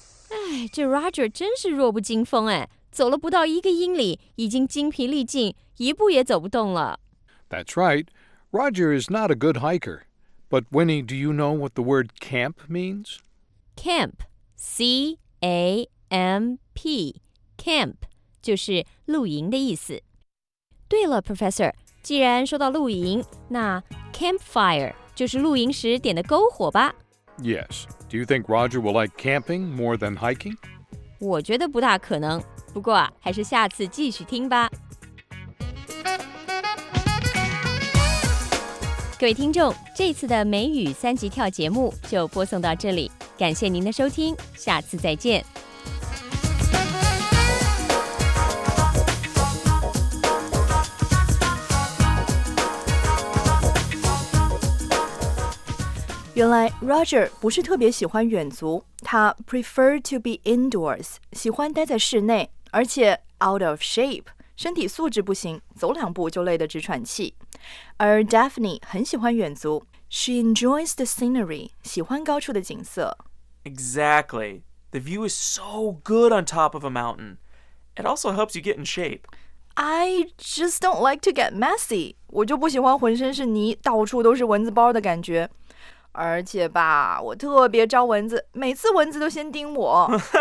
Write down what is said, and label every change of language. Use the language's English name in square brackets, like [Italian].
[Chinese] 哎，这 Roger 真是弱不禁风哎，走了不到一个英里，已经精疲力尽，一步也走不动了。 [English] That's right. Roger is not a good hiker. But Winnie, do you know what the word camp means? [Chinese] Camp, C-A-M-P, camp, 就是露营的意思。对了 ,Professor, 既然说到露营，那 campfire 就是露营时点的篝火吧。 [English] Yes, do you think Roger will like camping more than hiking? [Chinese] 我觉得不大可能，不过啊，还是下次继续听吧。各位听众，这次的美语三级跳节目就播送到这里，感谢您的收听，下次再见。原来 Roger 不是特别喜欢远足，他 [English] prefer to be indoors, [Chinese] 喜欢待在室内，而且 [English] out of shape, [Chinese] 身体素质不行，走两步就累得直喘气。而 Daphne 很喜欢远足， [English] she enjoys the scenery, [Chinese] 喜欢高处的景色。 [English] Exactly. The view is so good on top of a mountain. It also helps you get in shape. I just don't like to get messy. [Chinese] 我就不喜欢浑身是泥，到处都是蚊子包的感觉。而且吧，我特别招蚊子，每次蚊子都先叮我。